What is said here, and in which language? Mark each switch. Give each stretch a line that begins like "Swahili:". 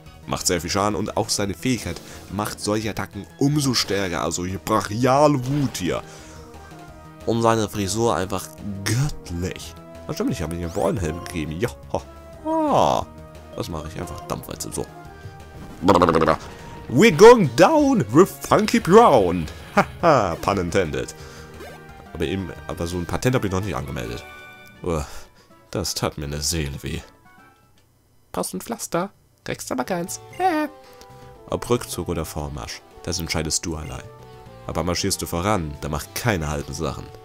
German: Macht sehr viel Schaden und auch seine Fähigkeit macht solche Attacken umso stärker. Also hier brachiale Wut hier. Und seine Frisur einfach göttlich. Ach stimmt, ich habe ihm einen Bornhelm gegeben. Ja. Ah. Das mache ich einfach Dampfwalze. So.
English: We're going down with Funky Brown. Haha, pun intended.
German: Aber eben, aber so ein Patent habe ich noch nicht angemeldet. Das tat mir eine Seele weh. Brauchst du ein Pflaster? Kriegst aber keins. Ob Rückzug oder Vormarsch, das entscheidest du allein. Aber marschierst du voran, dann mach keine halben Sachen.